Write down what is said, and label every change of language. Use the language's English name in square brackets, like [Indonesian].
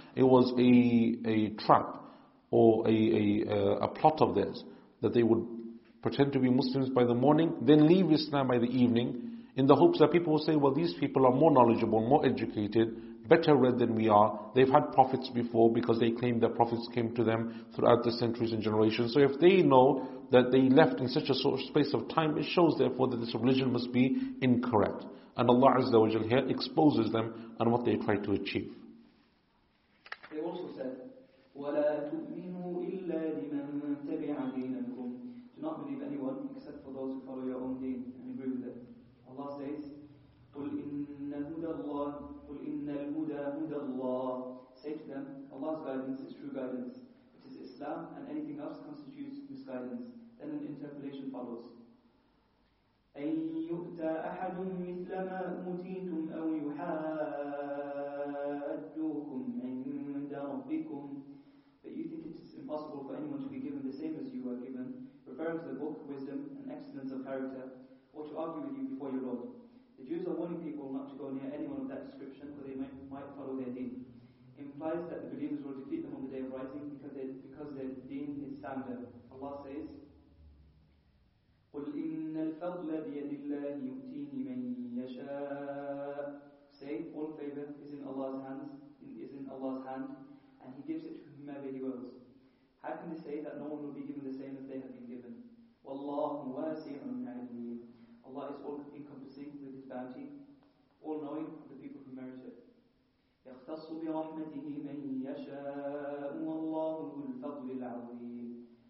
[English] It was a trap. Or a plot of theirs, that they would pretend to be Muslims by the morning, then leave Islam by the evening, in the hopes that people will say, well, these people are more knowledgeable, more educated, better read than we are, they've had prophets before, because they claim that prophets came to them throughout the centuries and generations. So if they know that they left in such a short space of time, it shows therefore that this religion must be incorrect. And Allah Azza wa Jalla here exposes them and what they try to achieve. They also said, [Arabic] ولا تؤمنوا إلا لمن تبع دينكم. [English] Do not believe anyone except for those who follow your own deen and agree with it. Allah says, [Arabic] قل إن هدى الله قل إن الهدى هدى الله. [English] Say to them, Allah's guidance is true guidance. It is Islam, and anything else constitutes misguidance. Then an interpolation follows. [Arabic] أن يؤتى أحد مثل ما أوتيتم أو يحاجوكم عند ربكم. [English] That you think it is impossible for anyone to be given the same as you are given, referring to the book, wisdom, and excellence of character, or to argue with you before your Lord. The Jews are warning people not to go near anyone of that description, for they might follow their deen. It implies that the believers will defeat them on the day of rising because their deen is sounder. Allah says, [Arabic] قُلْ إِنَّ الْفَضْلَ بِيَدِ اللَّهِ يُؤْتِيهِ مَنْ يَشَاءُ. [English] Say, all favor is in Allah's hand, and He gives it to whomever He wills. How can they say that no one will be given the same as they have been given? [Arabic] Wallahu wasi'un 'alim. [English] Allah is all encompassing with His bounty, all knowing of the people who merit it. [Arabic] يختص برحمته من يشاء والله ذو الفضل العظيم.